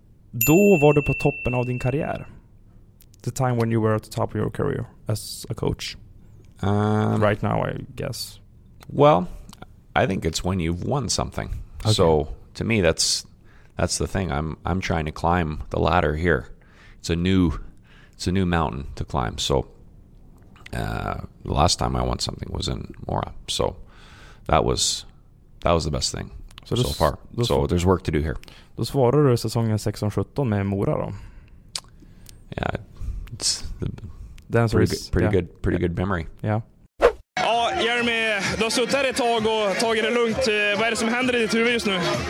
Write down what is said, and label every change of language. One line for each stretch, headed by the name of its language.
Swedish: Då var du på toppen av din karriär.
English: The time when you were at the top of your career as a coach. Right now, I guess. Well, I think it's when you've won something. Okay. So to me, that's the thing. I'm trying to climb the ladder here. It's a new mountain to climb. So the last time I won something was in Mora. So that was the best thing so far. So there's work to do here.
Swedish: Då svarar du säsongen 16-17 med Mora då?
English: Yeah, it's the answer pretty, is, pretty yeah. good pretty yeah. good memory. Yeah. Oh, Jeremy.
Swedish: du har suttit här ett tag och tagit det lugnt. Vad är det som händer i ditt huvud just nu?